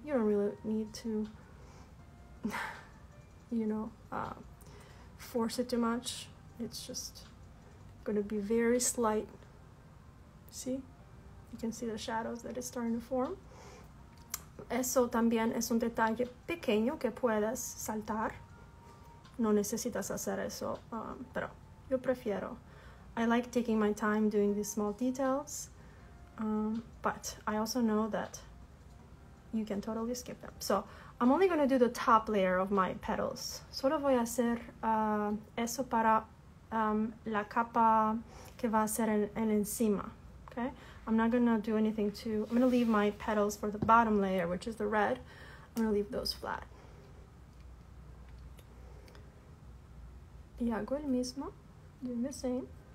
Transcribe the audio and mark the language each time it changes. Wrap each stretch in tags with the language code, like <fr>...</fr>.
<en>You don't really need to, you know, force it too much. It's just gonna be very slight. See, you can see the shadows that it's starting to form.</en> <es>Eso también es un detalle pequeño que puedes saltar. No necesitas hacer eso, pero yo prefiero.</es> <en>I like taking my time doing these small details, but I also know that you can totally skip them. So I'm only going to do the top layer of my petals.</en> <es>Solo voy a hacer eso para la capa que va a ser en encima.</es> <en>Okay, I'm not going to do anything to... I'm going to leave my petals for the bottom layer, which is the red. I'm going to leave those flat.</en> <es>Y hago el mismo,</es> <en>doing the same.</en>